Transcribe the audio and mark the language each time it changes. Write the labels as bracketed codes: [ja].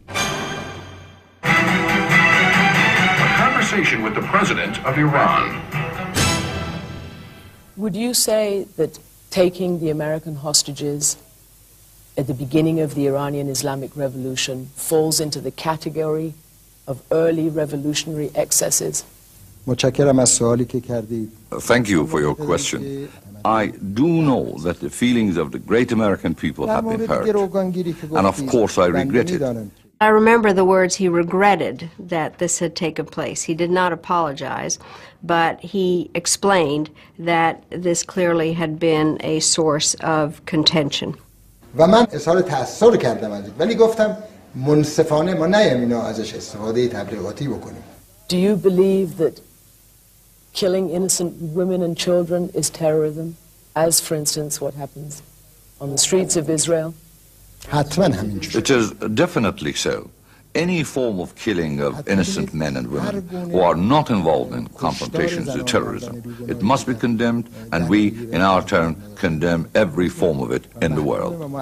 [en] A conversation with the president of Iran. Would you say that taking the American hostages at the beginning of the Iranian Islamic Revolution falls into the category of early revolutionary excesses? [fa] متشکرم از سوالی که کردید. [en] Thank you for your question. I do know that the feelings of the great American people have been hurt. And of course I regret it. I remember the words he regretted that this had taken place. He did not apologize, but he explained that this clearly had been a source of contention. [fa] و من اظهار تأثیر کردم از این. ولی گفتم منصفانه ما نیم اینا ازش استفاده تبلیغاتی بکنیم. [en] Do you believe that killing innocent women and children is terrorism, as for instance what happens on the streets of Israel? It is definitely so. Any form of killing of innocent men and women who are not involved in confrontations with terrorism, it must be condemned, and we, in our turn, condemn every form of it in the world.